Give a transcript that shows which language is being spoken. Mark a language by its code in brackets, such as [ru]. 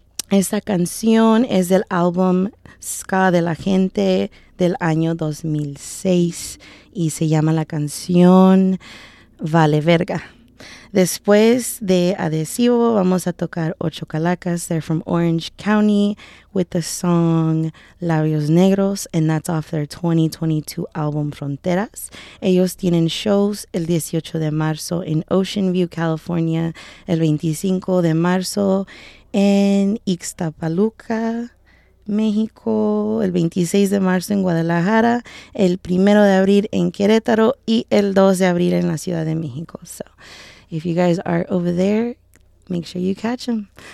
[es] Esta canción es del álbum Ska de la Gente del año 2006 y se llama la canción Vale Verga. Después de Adhesivo vamos a tocar Ocho Calacas. [en] They're from Orange County with the song Labios Negros, and that's off their 2022 album Fronteras. [es] Ellos tienen shows el 18 de marzo en Ocean View, California, el 25 de marzo en Ixtapaluca, México, el 26 de marzo en Guadalajara, el 1 de abril en Querétaro y el 2 de abril en la Ciudad de México. [en] So, if you guys are over there, make sure you catch them.